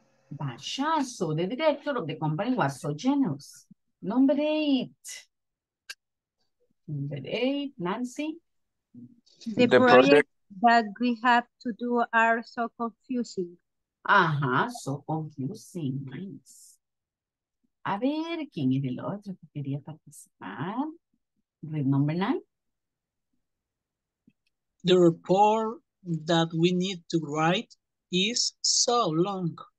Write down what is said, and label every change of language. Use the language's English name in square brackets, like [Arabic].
[English] Basha, so the director of the company was so generous. Number eight. Number eight, Nancy. The project that we have to do are so confusing. Ajá, so confusing. Nice. [Spanish] A ver, ¿quién es el otro que quería participar? [English] Read number nine. The report that we need to write is so long.